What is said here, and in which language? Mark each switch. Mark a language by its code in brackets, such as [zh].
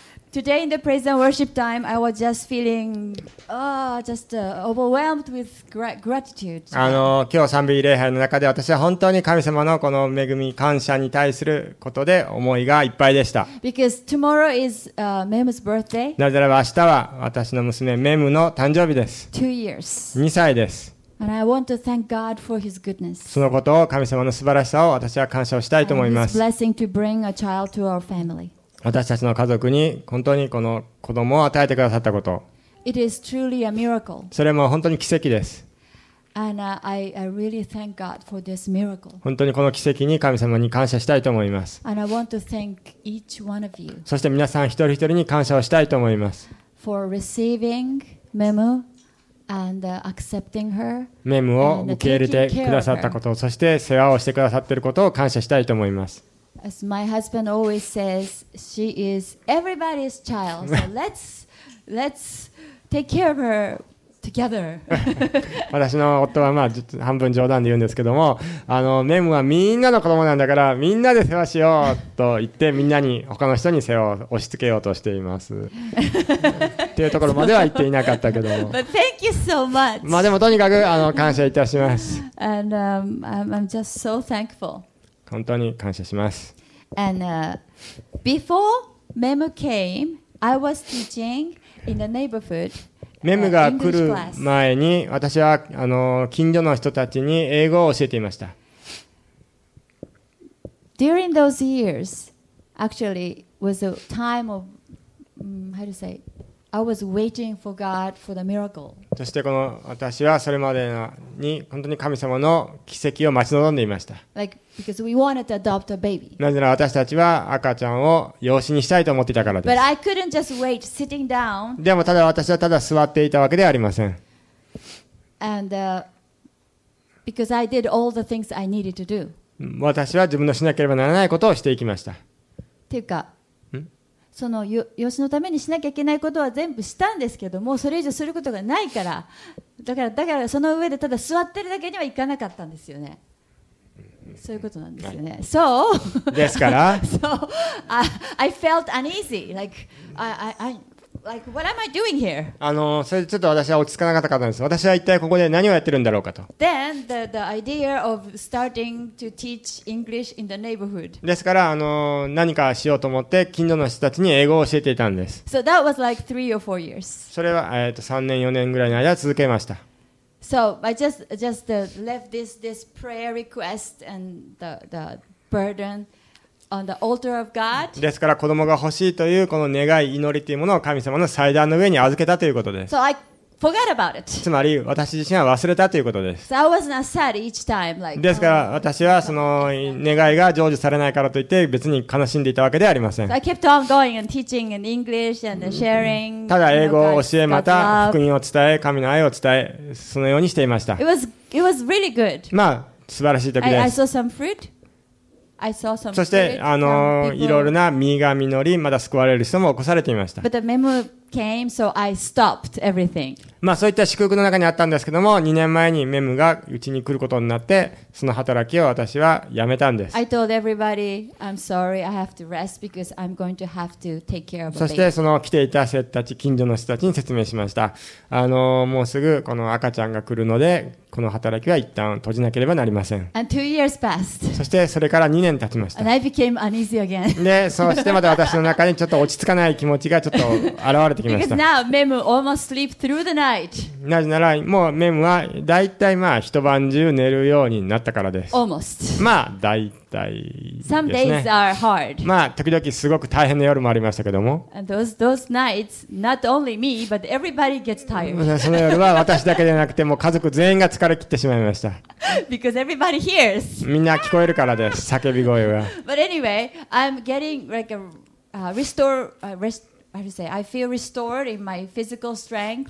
[en] Today in the praise and worship time, I was just feeling, overwhelmed with gratitude. [ja] 今日賛美礼拝の中で私は本当に神様のこの恵み感謝に対することで思いがいっぱいでした。 [en] Because tomorrow is Mem's birthday. [ja] なぜならば明日は私の娘メムの誕生日です。 [en] Two years. [ja] 2歳です。 [en] And I want to thank God for His goodness. [ja] そのことを神様の素晴らしさを私は感謝をしたいと思います。 [en] And His blessing to bring a child to our family. [ja] 私たちの家族に本当にこの子供を与えてくださったこと。 [en] It is truly a miracle. [ja] それも本当に奇跡です。 [en] And I really thank God for this miracle. [ja] 本当にこの奇跡に神様に感謝したいと思います。 [en] And I want to thank each one of you. [ja] そして皆さん一人一人に感謝をしたいと思います。 [en] For receiving Memu and accepting her. [ja] メムを受け入れてくださったこと、そして世話をしてくださっていることを感謝したいと思います。 [en] As my husband always says, she is everybody's child. So let's take care of her together. [ja] 私の夫はまあ半分冗談で言うんですけども、メムはみんなの子供なんだからみんなで世話しようと言ってみんなに他の人に世話を押し付けようとしています。っていうところまでは言っていなかったけど。 [en] But thank you so much. [ja] まあでもとにかく感謝いたします。 [en] And I'm just so thankful. [ja] 本当に感謝します。 [en] And before Memu came, I was teaching in the neighborhood. [ja] メムが来る前に、私は近所の人たちに英語を教えていました。 [en] During those years, actually, was a time of how to say. I was waiting for God for the miracle. [ja] そしてこの私はそれまでに本当に神様の奇跡を待ち望んでいました。 [en] Like, because we wanted to adopt a baby. [ja] なぜなら私たちは赤ちゃんを養子にしたいと思っていたからです。 [en] But I couldn't just wait sitting down. [ja] でもただ私はただ座っていたわけではありません。 [en] And because I did all the things I needed to do. [ja] 私は自分のしなければならないことをしていきました。ていうか、その養子のためにしなきゃいけないことは全部したんですけど、もうそれ以上することがないから、だからその上でただ座ってるだけにはいかなかったんですよね。そういうことなんですよね。 [en] So, [ja] ですから、 [en] so, I felt uneasy, like I what am I doing here? [ja] それでちょっと私は落ち着かなかったんです。私は一体ここで何をやってるんだろうかと。 [en] Then the idea of starting to teach English in the neighborhood. [ja] ですから何かしようと思って近所の人たちに英語を教えていたんです。 [en] So that was like 3 or 4 years. [ja] それは3年4年ぐらいの間続けました。 [en] So I just left this prayer request and the burden. On the altar of God. [ja] ですから子供が欲しいというこの願い祈りというものを神様の祭壇の上に預けたということです。 [en] So I forgot about it. [ja] つまり私自身は忘れたということです。 [en] So I was not sad each time, like, [ja] ですから私はその願いが成就されないからといって別に悲しんでいたわけではありません。 [en] So I kept on going and teaching in English and sharing. [ja] ただ英語を教えまた福音を伝え神の愛を伝えそのようにしていました。 [en] It was really good. [ja] まあ素晴らしい時です。 [en] I saw some fruit. I saw some [ja] そしていろいろな実が実りまだ救われる人も起こされていました。 [en] But the memo came, so I stopped everything. [ja] まあそういった祝福の中にあったんですけども2年前にメムがうちに来ることになってその働きを私はやめたんです。 [en] I told everybody I'm sorry I have to rest because I'm going to have to take care of a baby. [ja] そしてその来ていた人たち近所の人たちに説明しました。もうすぐこの赤ちゃんが来るのでこの働きは一旦閉じなければなりません。 [en] And 2 years passed. [ja] そしてそれから2年経ちました。 [en] And I became uneasy again. [ja] でそしてまた私の中にちょっと落ち着かない気持ちがちょっと現れて [en] Because now Memu almost sleep through the night. [ja] なぜならもうメムはだいたいまあ一晩中寝るようになったからです。 [en] Almost. [ja] まあだいたいですね。 [en] Some days are hard. [ja] まあ時々すごく大変な夜もありましたけども。 [en] And those nights, not only me, but everybody gets tired. [ja] その夜は私だけでなくても家族全員が疲れ切ってしまいました。 [en] Because everybody hears. [ja] みんな聞こえるからです。叫び声が。 [en] But anyway, I'm getting like a restore. how to say, I feel restored in my physical strength.